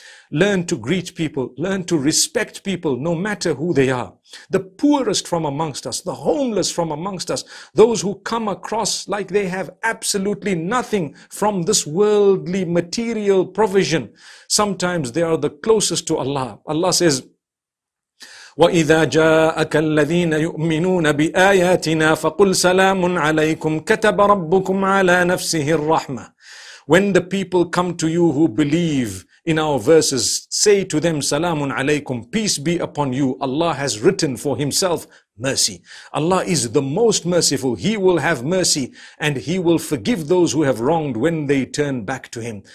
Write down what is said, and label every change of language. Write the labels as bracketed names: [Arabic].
[English] Learn to greet people, learn to respect people, no matter who they are. The poorest from amongst us, the homeless from amongst us, those who come across like they have absolutely nothing from this worldly material provision, sometimes they are the closest to Allah. Allah says, [Arabic] وَإِذَا جَاءَكَ الَّذِينَ يُؤْمِنُونَ بِآيَاتِنَا فَقُلْ سَلَامٌ عَلَيْكُمْ كَتَبَ رَبُّكُمْ عَلَىٰ نَفْسِهِ الرَّحْمَةِ. [English] When the people come to you who believe in our verses, say to them, [Arabic] Salamun alaykum, [English] peace be upon you. Allah has written for himself mercy. Allah is the most merciful. He will have mercy and he will forgive those who have wronged when they turn back to him.